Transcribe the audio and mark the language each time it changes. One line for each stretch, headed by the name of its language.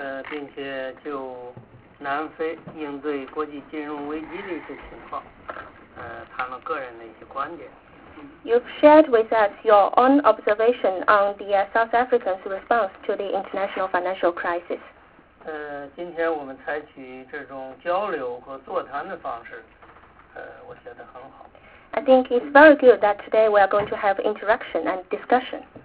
Chinese: 并且就南非应对国际金融危机的一些情况，谈了个人的一些观点。
English: You've shared with us your own observation on the South African's response to the international financial crisis.
Chinese: 今天我们采取这种交流和座谈的方式，我觉得很好。
English: I think it's very good that today we are going to have interaction and discussion.